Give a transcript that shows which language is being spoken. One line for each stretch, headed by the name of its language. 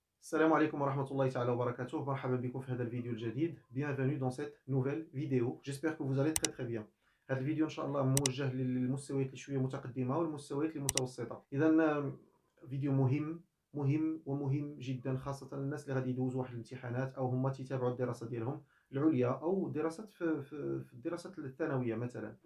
Arabic: السلام عليكم ورحمة الله تعالى وبركاته. مرحبا بكم في هذا الفيديو الجديد.
French: Bienvenue dans cette nouvelle vidéo. J'espère que vous allez très très bien.
Arabic: هذا الفيديو إن شاء الله موجه للمستويات شوية متقدمة والمستويات المتوسطة. إذا فيديو مهم مهم ومهم جدا، خاصة الناس اللي غادي يدوزوا واحد الامتحانات أو هما تيتابعوا الدراسة ديالهم العليا أو دراسات في الدراسات الثانوية مثلا.